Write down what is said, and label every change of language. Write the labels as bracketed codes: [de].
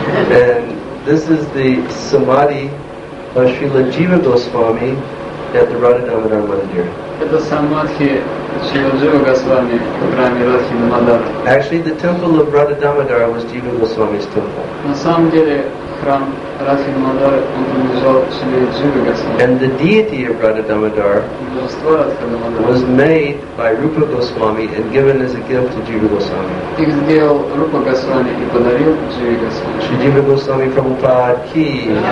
[en] And this is the Samadhi of Srila Jiva Goswami at the Radha-Damodar Mandir. [ru] Это Самадхи Шрила Джива Госвами в храме Радха-Дамодара. [en] Actually, the temple of Radha-Damodar was Jiva Goswami's temple. [ru] На самом деле, храм Радха-Дамодара, он принадлежал Шриле Джива Госвами. [en] And the deity of Radha-Damodar was made by Rupa Goswami and given as a gift to Jiva Goswami. [ru] Их сделал Рупа Госвами и подарил Джива Госвами. [hi] Шри Джива Госвами Прабхупада ки.